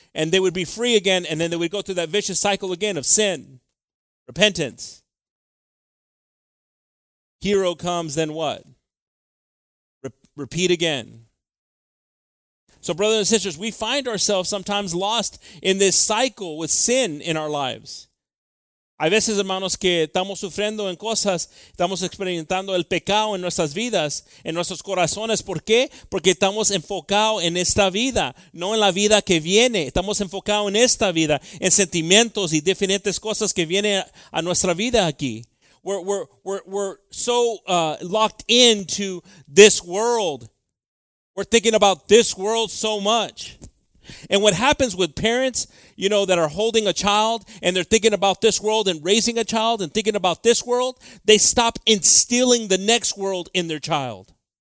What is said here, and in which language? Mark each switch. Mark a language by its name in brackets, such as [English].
[English] And they would be free again. And then they would go through that vicious cycle again of sin. Repentance. Hero comes, then what? Repeat again. So brothers and sisters, we find ourselves sometimes lost in this cycle with sin in our lives. [Spanish] Hay veces, hermanos, que estamos sufriendo en cosas, estamos experimentando el pecado en nuestras vidas, en nuestros corazones. ¿Por qué? Porque estamos enfocados en esta vida, no en la vida que viene. Estamos enfocados en esta vida, en sentimientos y diferentes cosas que vienen a nuestra vida aquí. [English] We're so locked into this world. We're thinking about this world so much. And what happens with parents, you know, that are holding a child and they're thinking about this world and raising a child and thinking about this world, they stop instilling the next world in their child.